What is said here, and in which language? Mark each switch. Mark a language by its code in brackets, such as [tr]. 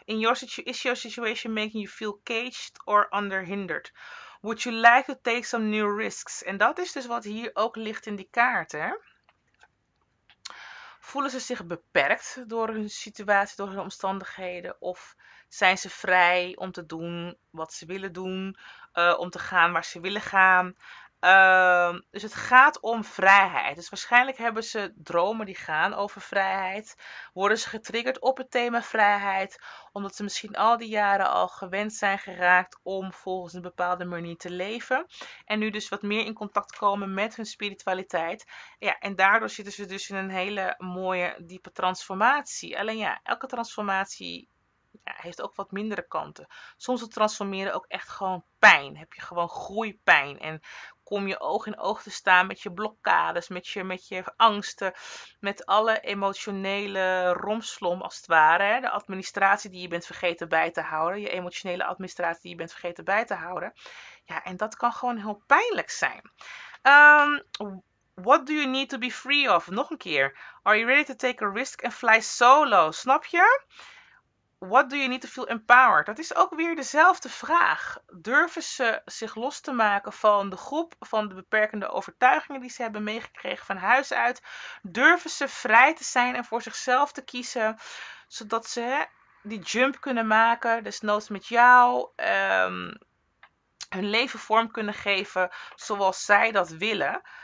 [en] In your is your situation making you feel caged or under hindered? Would you like to take some new risks? [nl] En dat is dus wat hier ook ligt in die kaart, hè? Voelen ze zich beperkt door hun situatie, door hun omstandigheden? Of zijn ze vrij om te doen wat ze willen doen? Om te gaan waar ze willen gaan? Dus het gaat om vrijheid. Dus waarschijnlijk hebben ze dromen die gaan over vrijheid. Worden ze getriggerd op het thema vrijheid? Omdat ze misschien al die jaren al gewend zijn geraakt om volgens een bepaalde manier te leven. En nu dus wat meer in contact komen met hun spiritualiteit. Ja, en daardoor zitten ze dus in een hele mooie, diepe transformatie. Alleen ja, elke transformatie, ja, heeft ook wat mindere kanten. Soms het transformeren ook echt gewoon pijn. Heb je gewoon groeipijn. En kom je oog in oog te staan met je blokkades, met je angsten, met alle emotionele romslom als het ware. Hè? De administratie die je bent vergeten bij te houden. Je emotionele administratie die je bent vergeten bij te houden. Ja, en dat kan gewoon heel pijnlijk zijn. [en] What do you need to be free of? [nl] Nog een keer. [en] Are you ready to take a risk and fly solo? [nl] Snap je? [en] What do you need to feel empowered? [nl] Dat is ook weer dezelfde vraag. Durven ze zich los te maken van de groep, van de beperkende overtuigingen die ze hebben meegekregen van huis uit? Durven ze vrij te zijn en voor zichzelf te kiezen, zodat ze die jump kunnen maken, desnoods met jou, hun leven vorm kunnen geven zoals zij dat willen?